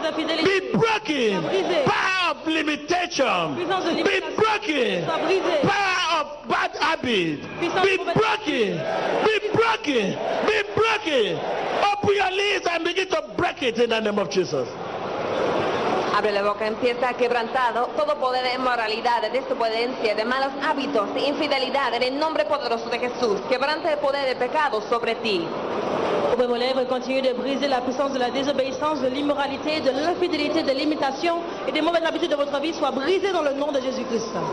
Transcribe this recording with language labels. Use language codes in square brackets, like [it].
[en] Be broken. Power of limitation. Be broken. Power of bad habit. Be broken. Be broken. Be broken. Open your lips and begin to break it in the name of Jesus. [es] Abre la boca, empieza quebrantado todo poder de moralidad, de desobediencia, de malos hábitos, de infidelidad, en el nombre poderoso de Jesús. Quebrante el poder de pecado sobre ti. [fr] Ouvre vos lèvres et continue de briser la puissance de la désobéissance, de l'immoralité, de l'infidélité, de l'imitation et des mauvaises habitudes de votre vie soient brisées dans le nom de Jésus-Christ.